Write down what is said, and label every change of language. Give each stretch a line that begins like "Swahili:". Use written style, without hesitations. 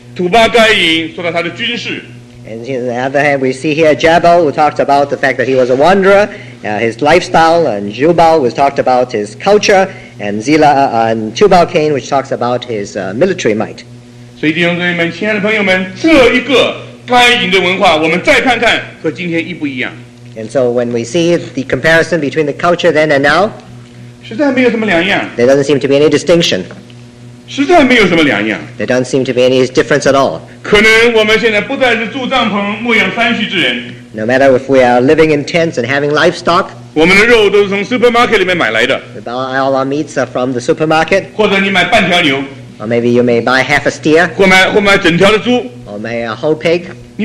Chinese: 一面这里亚巴说到他的生活，尤巴说到他的文化，说到他的文艺，一面土巴该隐说到他的军事。
English: And on the other hand, we see here Jabal, who talked about the fact that he was a wanderer, his lifestyle, and Jubal, who talked about his culture, and Zila and Tubal Cain, which talks about his military might.
Chinese: 所以弟兄姊妹们，亲爱的朋友们，这一个该隐的文化，我们再看看和今天一不一样。
English: And so when we see the comparison between the culture then and now, there doesn't seem to be any distinction. There doesn't seem to be any difference at all. No matter if we are living in tents and having livestock, all our meats are from the supermarket, or maybe you may buy half a steer, or maybe a whole pig.